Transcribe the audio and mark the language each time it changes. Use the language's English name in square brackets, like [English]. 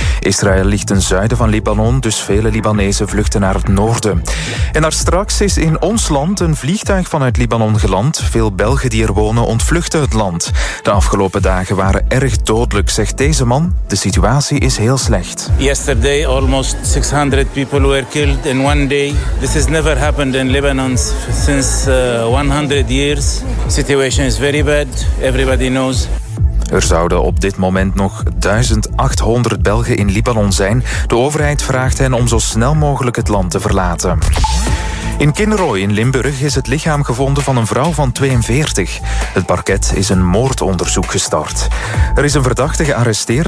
[Dutch] Israël ligt ten zuiden van Libanon, dus vele Libanezen vluchten naar het noorden. En daarstraks is in ons land een vliegtuig vanuit Libanon geland. Veel Belgen die er wonen ontvluchten het land. De afgelopen dagen waren erg dodelijk, zegt deze man. De situatie is heel slecht. [English] Yesterday almost 600 people were killed in one day. This has never happened in Lebanon since 100 years. Situation is very bad. Everybody knows. [Dutch] Er zouden op dit moment nog 1800 Belgen in Libanon zijn. De overheid vraagt hen om zo snel mogelijk het land te verlaten. In Kinrooi in Limburg is het lichaam gevonden van een vrouw van 42. Het parket is een moordonderzoek gestart. Er is een verdachte gearresteerd.